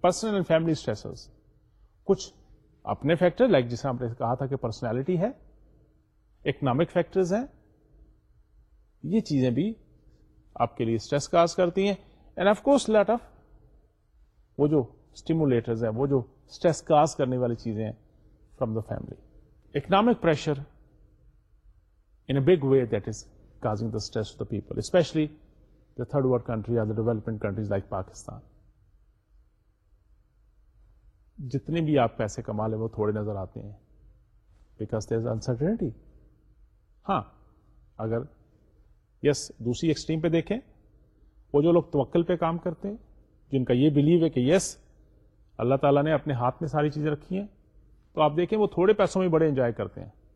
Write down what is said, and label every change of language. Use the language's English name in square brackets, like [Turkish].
[Urdu] Personal and family stresses, کچھ اپنے factor like جسے آپ نے کہا تھا کہ پرسنالٹی ہے, اکنامک فیکٹرز ہیں, یہ چیزیں بھی آپ کے لیے اسٹریس کاز کرتی ہیں. [English] and of course let of [Urdu] وہ جو اسٹیمولیٹرز ہیں, وہ جو اسٹریس کاز کرنے والی چیزیں ہیں [English] From the family. Economic pressure in a big way that is causing the stress of the people, especially the third world country اور the development countries like Pakistan. [Urdu] جتنے بھی آپ پیسے کما لیں وہ تھوڑے نظر آتے ہیں, [English] Because there is uncertainty. [Urdu] ہاں اگر دوسری ایکسٹریم پہ دیکھیں, وہ جو لوگ توکل پہ کام کرتے ہیں, جن کا یہ بلیو ہے کہ اللہ تعالیٰ نے اپنے ہاتھ میں ساری چیزیں رکھی ہیں, تو آپ دیکھیں وہ تھوڑے پیسوں میں بڑے انجوائے کرتے ہیں.